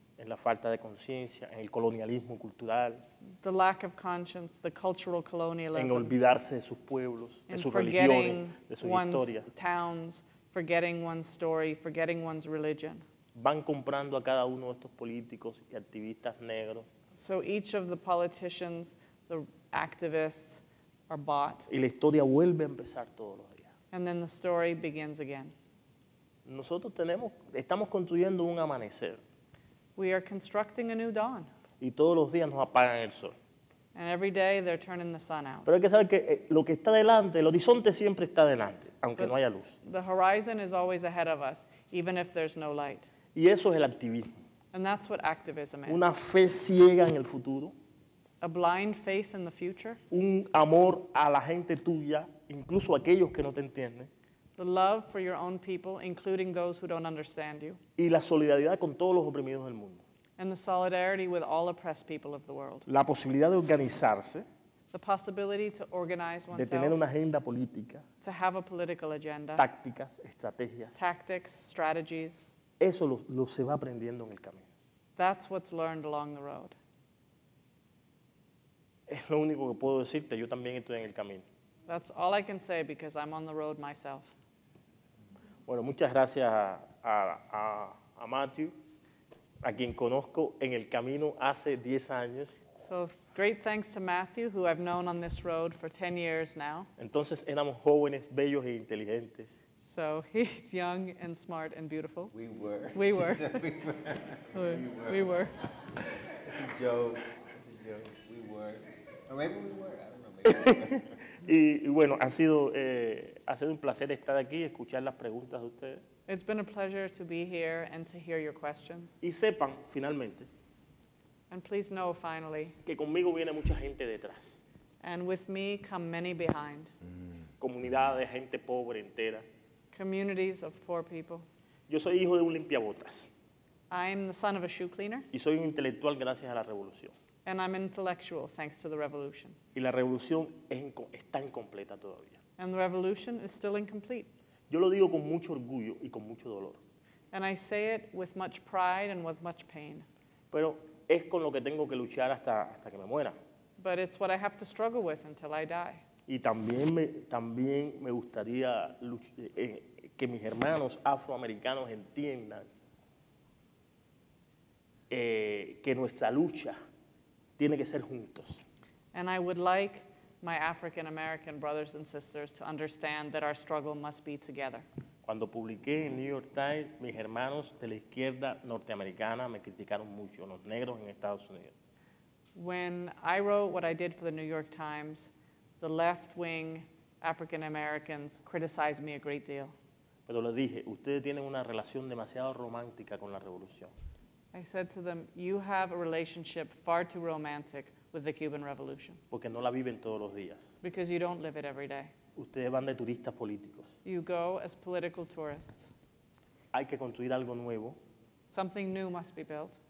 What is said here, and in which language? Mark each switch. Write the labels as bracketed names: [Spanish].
[Spanish] En la falta de conciencia, en el colonialismo cultural. [English] The lack of conscience, the cultural colonialism. [Spanish] En olvidarse de sus pueblos, de sus religiones, de su historia. [English] One's towns, forgetting one's story, forgetting one's religion. [Spanish] Van comprando a cada uno de estos políticos y activistas negros. [English] So each of the politicians, the activists are bought. [Spanish] Y la historia vuelve a empezar todos los días. [English] And then the story begins again. [Spanish] Nosotros estamos construyendo un amanecer. [English] We are constructing a new dawn. [Spanish] Y todos los días nos apagan el sol. [English] And every day they're turning the sun out. [Spanish] Pero hay que saber que lo que está delante, el horizonte siempre está delante, aunque no haya luz. [English] The horizon is always ahead of us, even if there's no light. [Spanish] Y eso es el activismo. [English] And that's what activism is. [Spanish] Una fe ciega en el futuro. [English] A blind faith in the future. [Spanish] Un amor a la gente tuya, incluso aquellos que no te entienden. [English] The love for your own people, including those who don't understand you. [Spanish] Y la solidaridad con todos los oprimidos del mundo. [English] And the solidarity with all oppressed people of the world. [Spanish] La posibilidad de organizarse. [English] The possibility to organize oneself. [Spanish] De tener una agenda política. [English] To have a political agenda. [Spanish] Tácticas, estrategias. [English] Tactics, strategies. [Spanish] Eso lo se va aprendiendo en el camino. [English] That's what's learned along the road. [Spanish] Es lo único que puedo decirte, yo también estoy en el camino. [English] That's all I can say because I'm on the road myself. [Spanish] Bueno, muchas gracias a Matthew, a quien conozco en el camino hace 10 años. [English] So great thanks to Matthew, who I've known on this road for 10 years now. [Spanish] Entonces éramos jóvenes, bellos e inteligentes. [English] So he's young and smart and beautiful. We were. We were. We were. It's a joke. We were. Or maybe we were. I don't know. [Spanish] Y bueno, ha sido un placer estar aquí y escuchar las preguntas de ustedes. [English] It's been a pleasure to be here and to hear your questions. [Spanish] Y sepan, finalmente. [English] And please know, finally. [Spanish] Que conmigo viene mucha gente detrás. [English] And with me come many behind. [Spanish] Comunidades de gente pobre entera. [English] Communities of poor people. [Spanish] Yo soy hijo de un limpiabotas. [English] I'm the son of a shoe cleaner. [Spanish] Y soy un intelectual gracias a la revolución. [English] And I'm intellectual, thanks to the revolution. [Spanish] Y la revolución está incompleta todavía. [English] And the revolution is still incomplete. [Spanish] Yo lo digo con mucho orgullo y con mucho dolor. [English] And I say it with much pride and with much pain. [Spanish] Pero es con lo que tengo que luchar hasta que me muera. [English] But it's what I have to struggle with until I die. [Spanish] Y también me gustaría que mis hermanos afroamericanos entiendan que nuestra lucha tiene que ser juntos. [English] And I would like my African American brothers and sisters to understand that our struggle must be together. [Spanish] Cuando publiqué en New York Times, mis hermanos de la izquierda norteamericana me criticaron mucho, los negros en Estados Unidos. [English] When I wrote what I did for the New York Times, the left-wing African Americans criticized me a great deal. [Spanish] Pero les dije, ustedes tienen una relación demasiado romántica con la revolución. [English] I said to them, you have a relationship far too romantic with the Cuban Revolution. [Spanish] Porque no la viven todos los días. [English] Because you don't live it every day. [Spanish] Ustedes van de turistas políticos. [English] You go as political tourists. [Spanish] Hay que construir algo nuevo. [English] Something new must be built.